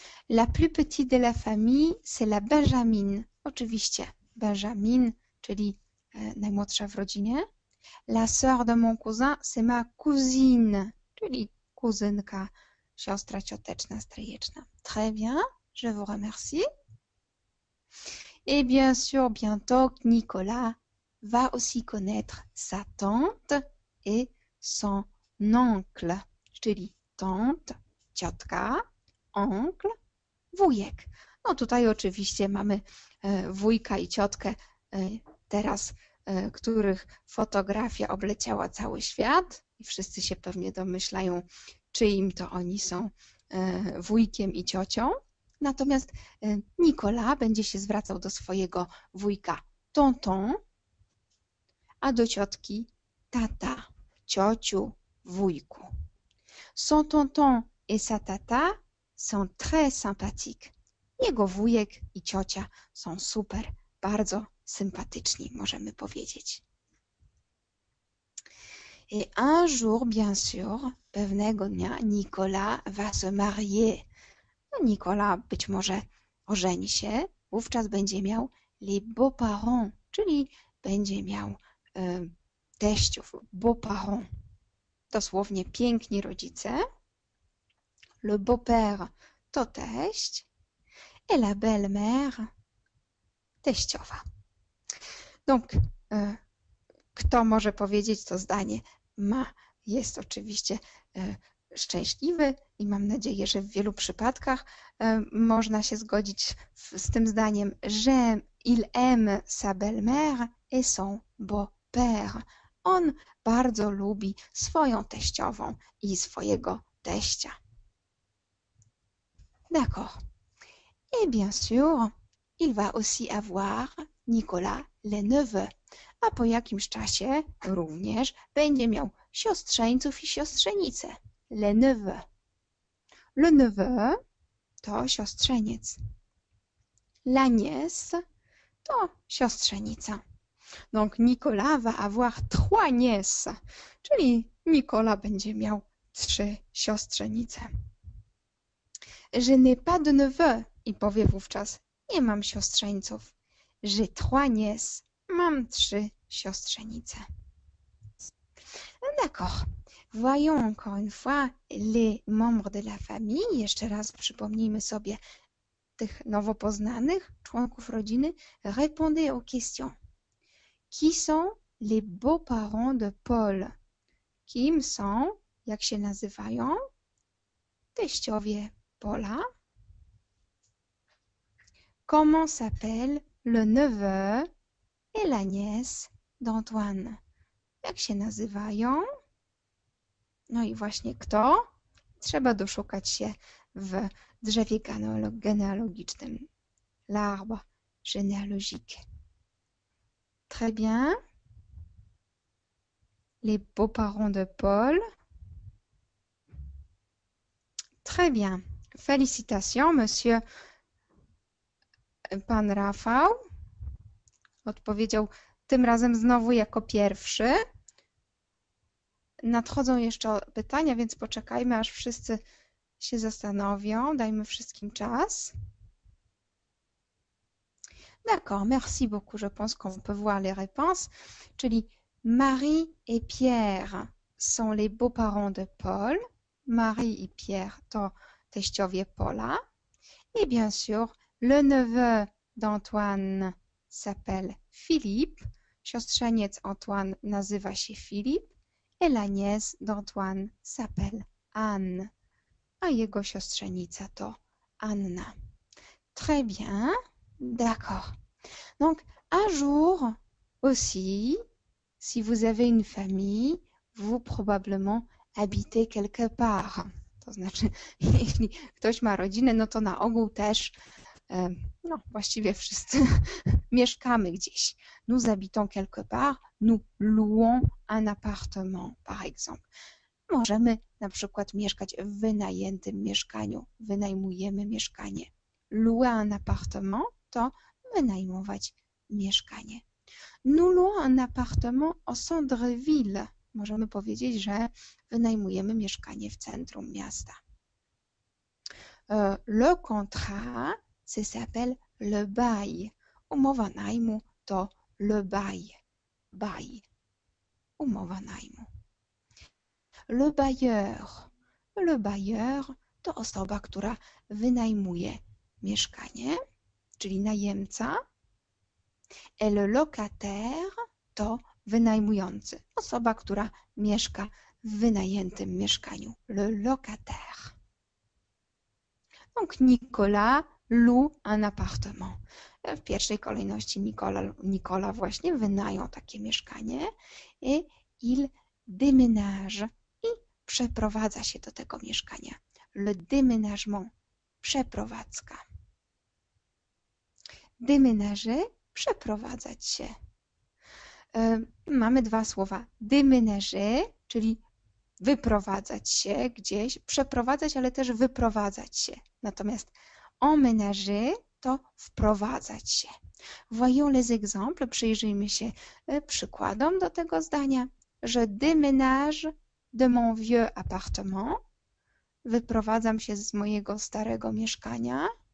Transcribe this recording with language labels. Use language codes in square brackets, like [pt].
[fr] La plus petite de la famille, c'est la Benjamin. [pl] Oczywiście, Benjamin, czyli najmłodsza w rodzinie. [fr] La sœur de mon cousin, c'est ma cousine, [pl] czyli kuzynka, siostra cioteczna, stryjeczna. [fr] Très bien. Je vous remercie. Et bien sûr, bientôt, Nicolas va aussi connaître sa tante et son oncle. [pl] Czyli tante, ciotka, oncle, wujek. No tutaj oczywiście mamy wujka i ciotkę teraz, których fotografia obleciała cały świat. I wszyscy się pewnie domyślają, czyim to oni są wujkiem i ciocią. Natomiast Nicolas będzie się zwracał do swojego wujka tonton, a do ciotki tata, ciociu, wujku. [fr] Son tonton et sa tata sont très sympathiques. [pl] Jego wujek i ciocia są super, bardzo sympatyczni, możemy powiedzieć. [fr] Et un jour, bien sûr, [pl] pewnego dnia [fr] Nicolas va se marier. [pl] Nicolas być może ożeni się, wówczas będzie miał les beaux-parents, czyli będzie miał teściów, beaux-parents. Dosłownie piękni rodzice. Le beau-père to teść et la belle-mère teściowa. Donc, kto może powiedzieć to zdanie? Jest oczywiście szczęśliwy i mam nadzieję, że w wielu przypadkach można się zgodzić z tym zdaniem, że [fr] il aime sa belle-mère et son beau-père. [pl] On bardzo lubi swoją teściową i swojego teścia. [fr] D'accord. Et bien sûr, il va aussi avoir Nicolas le neveu. [pl] A po jakimś czasie również będzie miał siostrzeńców i siostrzenice. [fr] Le neveu. Le neveu [pl] to siostrzeniec. [fr] La nièce [pl] to siostrzenica. [fr] Donc Nicolas va avoir trois nièces. [pl] Czyli Nicolas będzie miał trzy siostrzenice. [fr] Je n'ai pas de neveu. [pl] I powie wówczas, nie mam siostrzeńców. [fr] J'ai trois nièces. [pl] Mam trzy siostrzenice. [fr] D'accord. Voyons encore une fois les membres de la famille. [pl] Jeszcze raz przypomnijmy sobie tych nowo poznanych członków rodziny. [fr] Répondez aux questions. Qui sont les beaux-parents de Paul? [pl] Kim są, jak się nazywają, teściowie Paula? [fr] Comment s'appelle le neveu et la nièce d'Antoine? [pl] Jak się nazywają? No i właśnie kto? Trzeba doszukać się w drzewie genealogicznym. [fr] L'arbre généalogique. Très bien. Les beaux-parents de Paul. Très bien. Félicitations, monsieur pan Rafał. [pl] Odpowiedział tym razem znowu jako pierwszy. Nadchodzą jeszcze pytania, więc poczekajmy, aż wszyscy się zastanowią, dajmy wszystkim czas. [fr] D'accord, merci beaucoup, je pense qu'on peut voir les réponses. Czyli Marie et Pierre sont les beaux-parents de Paul. Marie et Pierre [pl] to teściowie Paula. [fr] Et bien sûr, le neveu d'Antoine s'appelle Philippe. [pl] Siostrzeniec Antoine nazywa się Philippe. [fr] Et la nièce d'Antoine s'appelle Anne. [pl] A jego siostrzenica to Anna. [fr] Très bien. D'accord. Donc, un jour aussi, si vous avez une famille, vous probablement habitez quelque part. [pl] To znaczy, jeśli ktoś ma rodzinę, no to na ogół też, no właściwie wszyscy mieszkamy gdzieś. [fr] Nous habitons quelque part, nous louons un appartement, par exemple. [pl] Możemy na przykład mieszkać w wynajętym mieszkaniu. Wynajmujemy mieszkanie. [fr] Louer un appartement [pl] to wynajmować mieszkanie. [fr] Nous louons un appartement au centre-ville. [pl] Możemy powiedzieć, że wynajmujemy mieszkanie w centrum miasta. [fr] Le contrat, ça s'appelle le bail. [pl] Umowa najmu to le bail. Bail. Umowa najmu. Le bailleur to osoba, która wynajmuje mieszkanie, czyli najemca. Et le locataire to wynajmujący, osoba, która mieszka w wynajętym mieszkaniu. [fr] Le locataire. Donc Nicolas loue un appartement. [pl] W pierwszej kolejności Nicolas właśnie wynają takie mieszkanie. [fr] Et il déménage. [pl] Przeprowadza się do tego mieszkania. [fr] Le déménagement. Przeprowadzka. [pl] Déménager. Przeprowadzać się. Mamy dwa słowa. Déménager, czyli wyprowadzać się gdzieś. Przeprowadzać, ale też wyprowadzać się. Natomiast emménager to wprowadzać się. [fr] Voyons les exemples. [pl] Przyjrzyjmy się przykładom do tego zdania. [fr] Je déménage de mon vieux appartement. [pl] Wyprowadzam się z mojego starego mieszkania.